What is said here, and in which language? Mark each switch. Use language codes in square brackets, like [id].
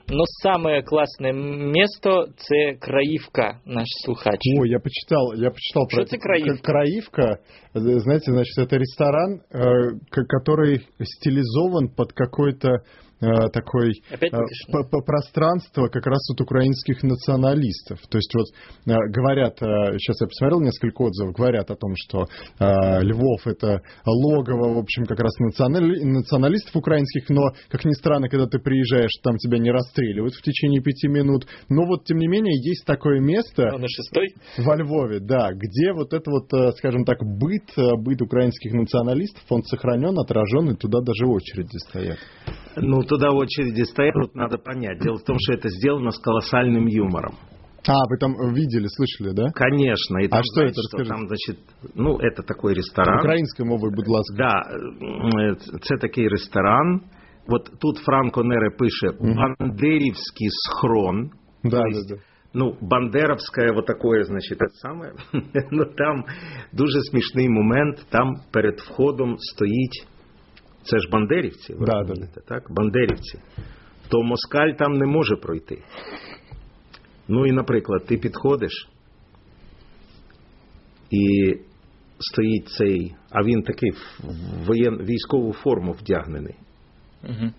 [uk] Ну, саме класне місто – це Краївка, наш слухач. О, я почитав про це Краївка. Краївка, знаєте, значить, це ресторан, який стилізован під [ru] какой-то такой пространство как раз от украинских националистов. То есть вот говорят, сейчас я посмотрел несколько отзывов, говорят о том, что Львов это логово, в общем, как раз националистов украинских, но, как ни странно, когда ты приезжаешь, там тебя не расстреливают в течение 5 минут. Но вот, тем не менее, есть такое место во Львове, да, где вот это вот, скажем так, быт украинских националистов, он сохранен, отражен, и туда даже очереди стоят. Ну, туда очереди стоят, тут надо понять. Дело в том, что это сделано с колоссальным юмором. А, вы там видели, слышали, да? Конечно. И там, а что знаете, это? Что там, значит, ну, это такой ресторан. Украинской мовой, [uk] будь ласка. [ru] Да, это такой ресторан. Вот тут Франко Нере пишет «Бандерівський схрон». Да, то есть, да. Ну, бандеровское вот такое, значит, это самое. Но там дуже смешный момент, там перед входом стоит... [uk] Це ж бандерівці, ви розумієте, так? Бандерівці. То москаль там не може пройти. Ну і, наприклад, ти підходиш, і стоїть цей, а він такий в військову форму вдягнений. Угу.